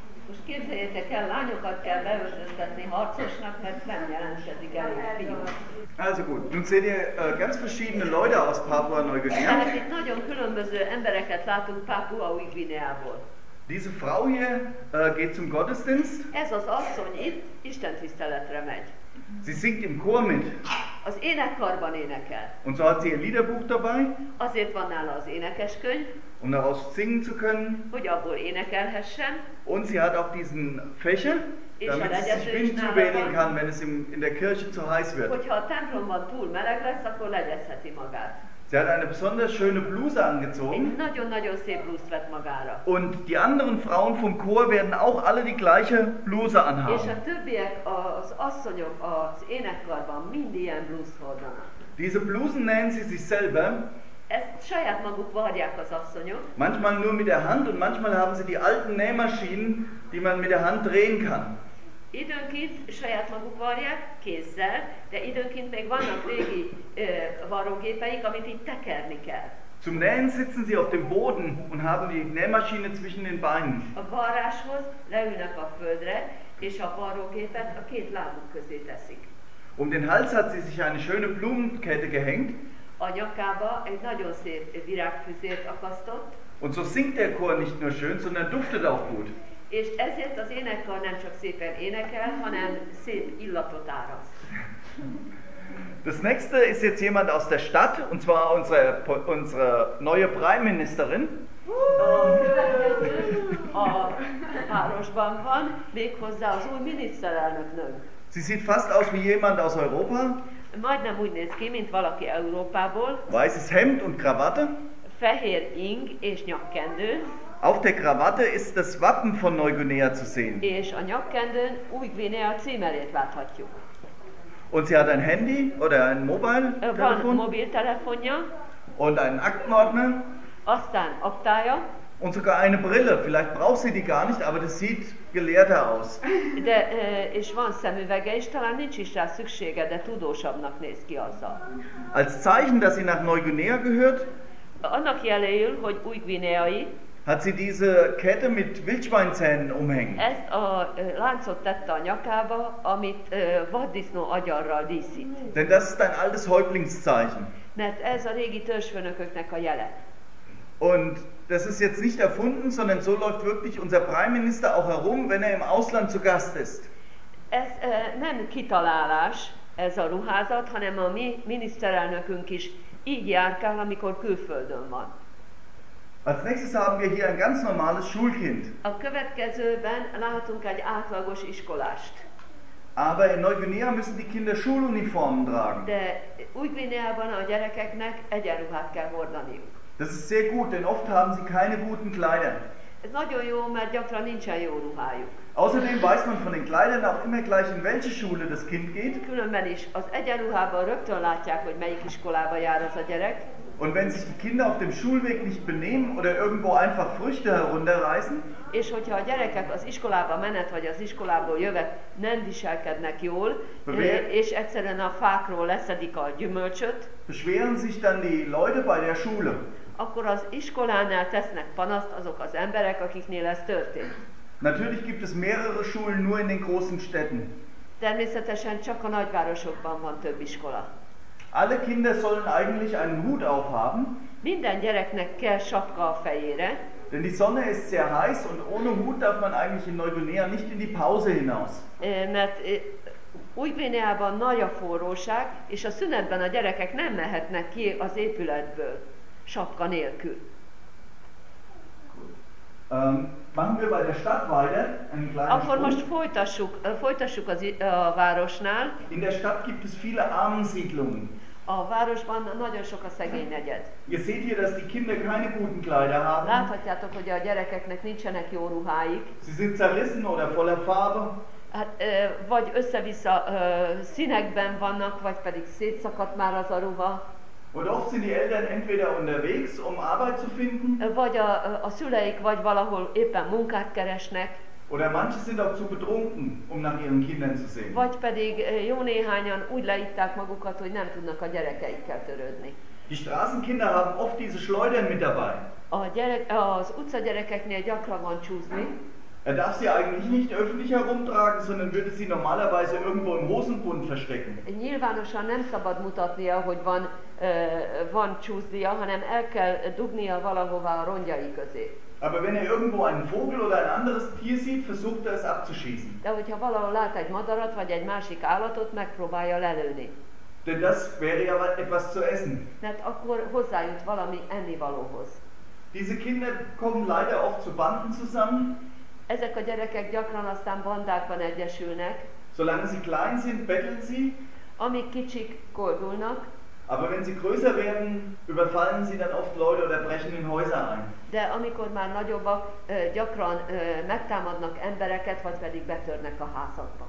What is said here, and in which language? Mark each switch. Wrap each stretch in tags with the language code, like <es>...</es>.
<hu>Most képzeljétek el, lányokat kell beöltöztetni harcosnak, mert nem jelentkezik elég fiúk.</hu> <de>Also gut, nun seht ihr ganz verschiedene Leute aus Papua Neuguinea.</de> <hu>Tehát itt nagyon különböző embereket látunk Papua Új-Guineából.</hu> <de>Diese Frau hier geht zum Gottesdienst.</de> <hu>Ez az asszony itt istentiszteletre megy.</hu> <de>Sie singt im Chor mit.</de> <hu>Az énekkarban énekel.</hu> <de>Und so hat sie ihr Liederbuch dabei.</de> <hu>Azért van nála az énekeskönyv.</hu> <de>um daraus singen zu können.</de> <hu>Hogy abból énekelhessen.</hu> <de>Und sie hat auch diesen Fächer, damit sie sich Wind zuwählen kann, wenn es in der Kirche zu heiß wird.</de> <hu>Hogyha a templomban túl meleg lesz, akkor legyezheti magát.</hu> <de>Sie hat eine besonders schöne Bluse angezogen.</de> <hu>Nagyon-nagyon szép blúzt vett magára.</hu> <de>Und die anderen Frauen vom Chor werden auch alle die gleiche Bluse anhaben.</de> <hu>És a többiek, az asszonyok az énekkarban mind ilyen blúzt hordanak.</hu> <de>Diese Blusen nähen sie sich selber.</de> <hu>Ezt saját magukba hagyják az asszonyok.</hu> <de>Manchmal nur mit der Hand und manchmal haben sie die alten Nähmaschinen, die man mit der Hand drehen kann.</de> <hu>Időnként saját maguk varják kézzel, de időnként még vannak régi varrógépeik, amit itt tekerni kell.</hu> <de>Zum Nähen sitzen sie auf dem Boden und haben die Nähmaschine zwischen den Beinen.</de> <hu>A varráshoz leülnek a földre, és a varrógépet a két lábuk közé teszik.</hu> <de>Um den Hals hat sie sich eine schöne Blumenkette gehängt.</de> <hu>A nyakába egy nagyon szép virágfüzért akasztott.</hu> <de>Und so singt der Chor nicht nur schön, sondern duftet auch gut.</de> <hu>És ezért az énekkar nem csak szépen énekel, hanem szép illatot áraszt.</hu> <de>Das nächste ist jetzt jemand aus der Stadt, und zwar unsere neue Premierministerin.</de> <hu>A városban van, méghozzá az új miniszterelnöknök.</hu> <de>Sie sieht fast aus wie jemand aus Europa.</de> <hu>Majdnem úgy néz ki, mint valaki Európából.</hu> <de>Weißes Hemd und Krawatte.</de> <hu>Fehér ing és nyakkendő.</hu> <de>Auf der Krawatte ist das Wappen von Neuguinea zu sehen.</de> <hu>És a nyakkendőn Új-Guinea címerét láthatjuk.</hu> <de>Und sie hat ein Handy oder ein Mobiltelefon.</de> <hu>Van mobiltelefonja.</hu> <de>Und einen Aktenordner.</de> <hu>Aztán aktája.</hu> <de>Und sogar eine Brille. Vielleicht braucht sie die gar nicht, aber das sieht gelehrter aus.</de> <hu>De, és van szemüvege is, talán nincs is rá szüksége, de tudósabbnak néz ki azzal.</hu> <de>Als Zeichen, dass sie nach Neuguinea gehört.</de> <hu>Annak jeléül, hogy Új-Guineai.</hu> <de>Hat sie diese Kette mit Wildschweinzähnen umhängen?</de> <hu>Ezt a láncot tette a nyakába, amit vaddisznó agyarral díszít.</hu> <de>Denn das ist ein altes Häuptlingszeichen.</de> <hu>Mert ez a régi törzsfőnököknek a jele.</hu> <de>Und das ist jetzt nicht erfunden, sondern so läuft wirklich unser Premierminister auch herum, wenn er im Ausland zu Gast ist.</de> <hu>Ez nem kitalálás, ez a ruházat, hanem a mi miniszterelnökünk is így járkál, amikor külföldön van.</hu> <de>Als nächstes haben wir hier ein ganz normales Schulkind.</de> <hu>A következőben látunk egy átlagos iskolást.</hu> <de>Aber in Neuguinea müssen die Kinder Schuluniformen tragen.</de> <hu>De Új-Guineában a gyerekeknek egyenruhát kell hordaniuk.</hu> <de>Das ist sehr gut, denn oft haben sie keine guten Kleider.</de> <hu>Ez nagyon jó, mert gyakran nincsen jó ruhájuk.</hu> <de>Außerdem weiß man von den Kleidern auch immer gleich, in welche Schule das Kind geht.</de> <hu>Különben is az egyenruhában rögtön látják, hogy melyik iskolába jár az a gyerek.</hu> <de>Und wenn sich die Kinder auf dem Schulweg nicht benehmen oder irgendwo einfach Früchte herunterreißen,</de> <hu>és hogyha a gyerekek az iskolába menet vagy az iskolából jövet nem viselkednek jól, és egyszerűen a fákról leszedik a gyümölcsöt,</hu> <de>beschweren sich dann die Leute bei der Schule.</de> <hu>Akkor az iskolánál tesznek panaszt azok az emberek, akiknél ez történt.</hu> <de>Natürlich gibt es mehrere Schulen nur in den großen Städten.</de> <hu>Természetesen csak a nagyvárosokban van több iskola.</hu> <de>Alle Kinder sollen eigentlich einen Hut aufhaben.</de> <hu>Minden gyereknek kell sapka a fejére.</hu> <de>Denn die Sonne ist sehr heiß und ohne Hut darf man eigentlich in Neuguinea nicht in die Pause hinaus.</de> <hu>Mert Új-Guineában nagy a forróság, és a szünetben a gyerekek nem mehetnek ki az épületből sapka nélkül.</hu> <de>Machen wir bei der Stadt weiter.</de> <hu>Akkor most folytassuk az a városnál.</hu> <de>In der Stadt gibt es viele Armensiedlungen.</de> <hu>A városban nagyon sok a szegény negyed.</hu> <de>Ihr seht hier, dass die Kinder keine guten Kleider haben.</de> <hu>Láthatjátok, hogy a gyerekeknek nincsenek jó ruháik.</hu> <de>Sie sind zerrissen oder voller Farbe.</de> <hu>Hát, vagy össze-vissza színekben vannak, vagy pedig szétszakadt már az a ruha.</hu> <de>Und oft sind die Eltern entweder unterwegs, um Arbeit zu finden.</de> <hu>Vagy a szüleik, vagy valahol éppen munkát keresnek.</hu> <de>Oder manche sind auch zu betrunken, um nach ihren Kindern zu sehen.</de> <hu>Vagy pedig jó néhányan úgy leitták magukat, hogy nem tudnak a gyerekeikkel törődni.</hu> <de>Die Straßenkinder haben oft diese Schleudern mit dabei.</de> <hu>Az utca gyerekeknél gyakran van csúszni.</hu> <de>Er darf sie eigentlich nicht öffentlich herumtragen, sondern würde sie normalerweise irgendwo im Hosenbund verstecken.</de> <hu>Nyilvánosan nem szabad mutatnia, hogy van csúszdia, hanem el kell dugnia valahova a rongyai közé.</hu> <de>Aber wenn er irgendwo einen Vogel oder ein anderes Tier sieht, versucht er es abzuschießen.</de> <hu>De hogyha valahol lát egy madarat vagy egy másik állatot, megpróbálja lelőni.</hu> <de>Denn das wäre ja etwas zu essen.</de> <hu>Mert akkor hozzájut valami ennivalóhoz.</hu> <de>Diese Kinder kommen leider oft zu Banden zusammen.</de> <hu>Ezek a gyerekek gyakran aztán bandákban egyesülnek.</hu> <de>Solange sie klein sind, betteln sie.</de> <hu>Amíg kicsik, kordulnak.</hu> <de>Aber wenn sie größer werden, überfallen sie dann oft Leute oder brechen in Häuser ein.</de> <hu>De amikor már nagyobbak, gyakran megtámadnak embereket, vagy pedig betörnek a házakba.</hu>